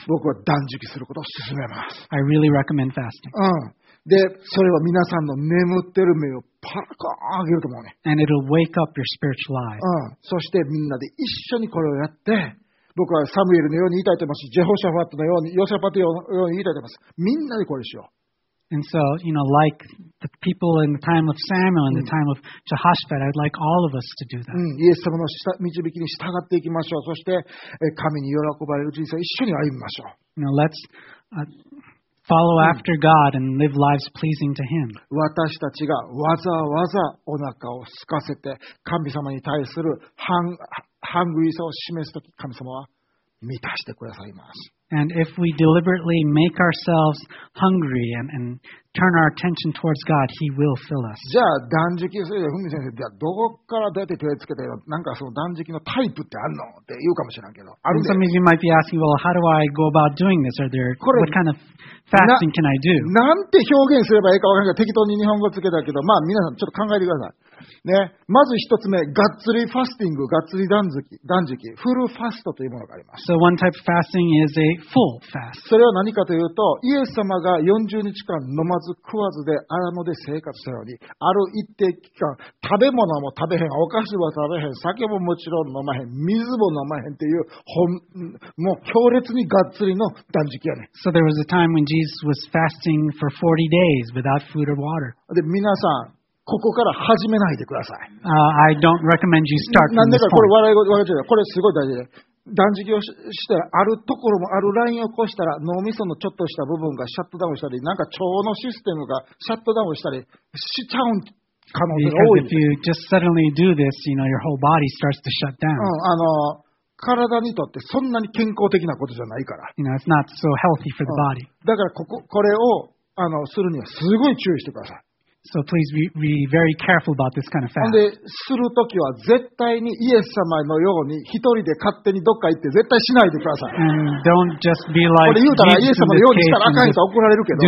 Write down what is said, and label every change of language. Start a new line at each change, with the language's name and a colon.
Japanese: 僕は断食することを勧めます。
English: I really recommend fasting. うん。
Japanese: で、それは皆さんの眠ってる目をパラッと上げると思うね。
English: And it'll wake up your spiritual eye. うん。
Japanese: そしてみんなで一緒にこれをやって、僕はサムエルのように言いたいと思いますし、ジェホシャファットのように、ヨシャパテのように言いたいと思います。みんなでこれしよう。
English: And so, you know, like the people in the time of Samuel and the time of Jehoshaphat, I'd like all of us to do that.
Japanese: イエス様の導きに従っていきましょう。そして、神に喜ばれる人生を一緒に歩みましょう。
English: You know, let's follow after God and live lives pleasing to Him.
Japanese: 私たちがわざわざお腹を空かせて、神様に対するハングリーさを示すとき、神様は満たしてくださいます。
English: And if we deliberately make ourselves hungry and turn our attention towards God, He will fill us.
Japanese: じゃあ断食するよ、ふみ先生。じゃあどこから出て手をつけてよ。なんかその断食のタイプってあるのって言うかもしれないけど。ある
English: Some of you might be asking, well, how do I go about doing this? Are there what kind of fasting can I do?
Japanese: なんて表現すればいいかわからない。適当に日本語つけたけど、まあ皆さんちょっと考えてください。ね、まず一つ目、がっつりファスティング、がっつり断食、フルファストというものがあります。
English: So one type of fasting is a full fast.
Japanese: それは何かというと、イエス様が40日間飲まず食わずで荒野で生活したように、ある一定期間、食べ物も食べへん、お菓子も食べへん、酒ももちろん飲まへん、水も飲まへんっていう、もう強烈にがっつりの断食やね。
English: So there was a time when Jesus was fasting for 40 days without food or water.
Japanese: で、皆さん、ここから始めないでください。
English: I don't recommend you start from
Japanese: なんでかこれ笑い事、これすごい大事で。断食をして、あるところもあるラインを越したら、脳みそのちょっとした部分がシャットダウンしたり、なんか腸のシステムがシャットダウンしたりしちゃう可能性が多い。
English: Because if you just suddenly do this, you know, your whole body starts to shut down.
Japanese: うん、体にとってそんなに健康的なことじゃないから。
English: You know, it's not so healthy for the body.
Japanese: だからこれを、するにはすごい注意してください。
English: So please be very careful about this kind of fast.
Japanese: で、するときは絶対にイエス様のように一人で勝手にどっか行って絶対しないでください。
English: And don't just be like
Japanese: これ言うたらイエス様のようにしたらあかんと怒られるけど。